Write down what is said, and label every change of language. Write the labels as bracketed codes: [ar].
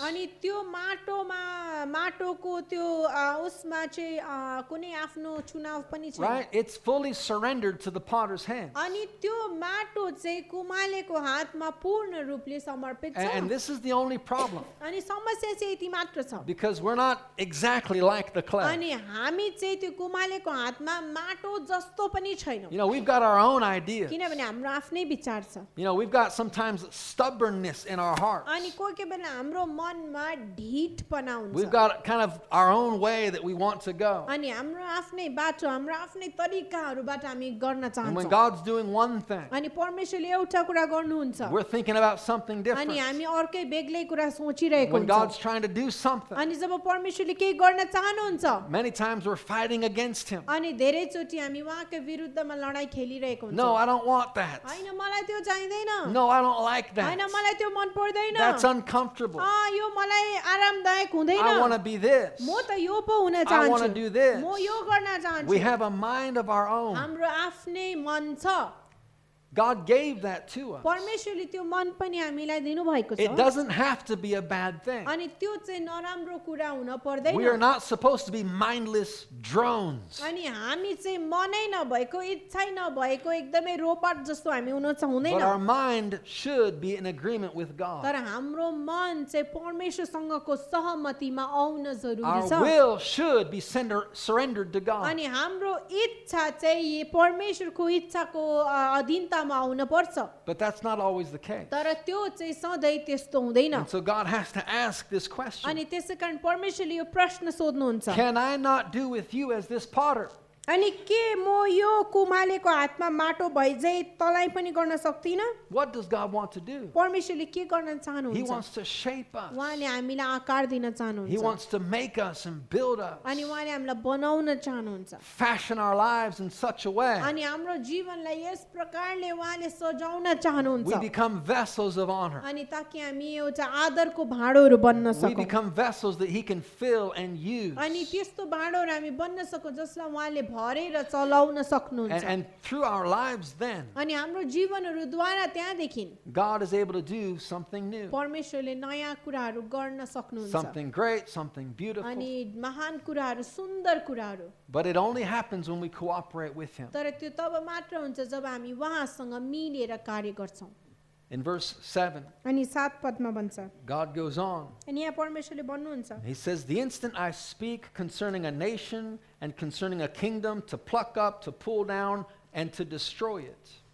[en] Right? It's fully surrendered to the potter's hands. [ne] आत्मा पूर्ण रूपले समर्पित छ [en] and this is the only problem [ne] अनि समस्या चाहिँ यति मात्र छ [en] because we're not exactly like the clay [ne] अनि हामी चाहिँ त्यो कुमालेको हातमा माटो जस्तो पनि छैनौ [en] you know we've got our own ideas [ne] किनभने हाम्रो आफ्नै विचार छ [en] you know we've got sometimes stubbornness in our hearts [ne] अनि कोही कोही बेला हाम्रो मनमा ढीठ बनाउँछ [en] we've got kind of our own way that we want to go [ne] अनि हाम्रो आफ्नै बाटो हाम्रो आफ्नै तरिकाहरुबाट हामी गर्न चाहन्छौ [en] when God's doing one thing [ne] अनि परमेश्वरले एउटा कुरा गर्नुहुन्छ [en] we're thinking about something different [ne] अनि हामी अर्कै बेग्लै कुरा सोचिरहेको हुन्छ [en] when God's trying to do something [ne] अनि जब परमेश्वरले केही गर्न चाहनुहुन्छ [en] many times we're fighting against him [ne] अनि धेरै चोटी हामी उहाँको विरुद्धमा लडाई खेलिरहेको हुन्छ [en] no I don't want that [ne] हैन मलाई त्यो चाहिदैन [en] no I don't like that [ne] हैन मलाई त्यो मन पर्दैन [en] that's uncomfortable [ne] आ यो मलाई आरामदायक हुँदैन [en] I want to be this [ne] म त यो पो हुन चाहन्छु [en] I want to do this [ne] म यो गर्न चाहन्छु [en] we have a mind of our own [ne] हाम्रो आफ्नै मन छ [en] God gave that to us. [ne] परमेश्वरले त्यो मन पनि हामीलाई दिनु भएको छ. [en] It doesn't have to be a bad thing. [ne] अनि त्यो चाहिँ नराम्रो कुरा हुन पर्दैन. [en] We are not supposed to be mindless drones. [ne] अनि हामी चाहिँ मनै नभएको इच्छा नभएको एकदमै रोबोट जस्तो हामी हुन चाहुदैन. [en] But our mind should be in agreement with God. [ne] तर हाम्रो मन चाहिँ परमेश्वरसँगको सहमतिमा आउन जरुरी छ. [en] Our will should be surrendered to God. [ne] अनि हाम्रो इच्छा चाहिँ यी परमेश्वरको इच्छाको अधीन [en] But that's not always the case. [ne] तर त्यो चाहिँ सधैं त्यस्तो हुँदैन. [en] And so God has to ask this question. [ne] अनि त्यसकारण परमेश्वरले यो प्रश्न सोध्नुहुन्छ. [en] Can I not do with you as this potter? [ne] अनि के म यो कुमालेको हातमा माटो भइजै तलाई पनि गर्न सक्दिन? [en] What does God want to do? [ne] परमेश्वरले के गर्न चाहनुहुन्छ? [en] He wants to shape us. [ne] उहाँले हामीलाई आकार दिन चाहनुहुन्छ. [en] He wants to make us and build us. [ne] अनि उहाँले हामीलाई बनाउन चाहनुहुन्छ. [en] Fashion our lives in such a way. [ne] अनि हाम्रो जीवनलाई यस प्रकारले उहाँले सजाउन चाहनुहुन्छ. [en] We become vessels of honor. [ne] अनि ताकि हामी एउटा आदरको भाँडोहरू बन्न सकौँ. [en] We become vessels that he can fill and use. [ne] अनि त्यस्तो भाँडोहरू हामी बन्न सकौँ जसलाई उहाँले भरेर चलाउन सक्नुहुन्छ [en] and through our lives then [ne] अनि हाम्रो जीवनहरु द्वारा त्यहाँ देखिन [en] God is able to do something new [ne] परमेश्वरले नयाँ कुराहरु गर्न सक्नुहुन्छ [en] something great something beautiful [ne] अनि महान कुराहरु सुन्दर कुराहरु [en] but it only happens when we cooperate with him [ne] तर त्यो तब मात्र हुन्छ जब हामी उहाँसँग मिलेर कार्य गर्छौं [en] In verse 7, [ne] अनि सात पदमा भन्छ [en] God goes on. [ne] अनि यहाँ परमेश्वरले भन्नुहुन्छ [en] He says, The instant I speak concerning a nation and concerning a kingdom to pluck up, to pull down, and to destroy it.